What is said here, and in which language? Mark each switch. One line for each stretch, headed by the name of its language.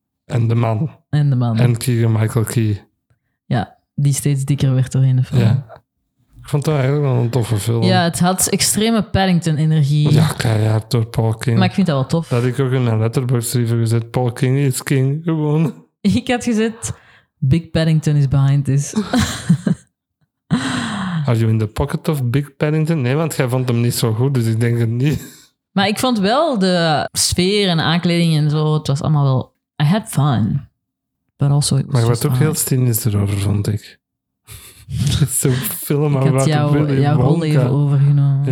Dutch: En de man. En de man. En Keegan-Michael Key. Ja, die steeds dikker werd doorheen de film. Ja. Ik vond het eigenlijk wel een toffe film. Ja, het had extreme Paddington-energie. Ja, keihard door Paul King. Maar ik vind dat wel tof. Dat had ik ook in mijn Letterboxd liever gezet. Paul King is king, gewoon. Ik had gezet,
English: Big Paddington is behind this. Are you in the pocket of Big Paddington?
Dutch: Nee, want jij vond hem niet zo goed, dus ik denk het niet. Maar ik vond wel de sfeer en aankleding en zo, het was allemaal wel...
English: I had fun. But also it was
Dutch: maar je was ook heel cynisch erover, vond ik. Het is een film aan wat jouw, ik jouw rol even overgenomen.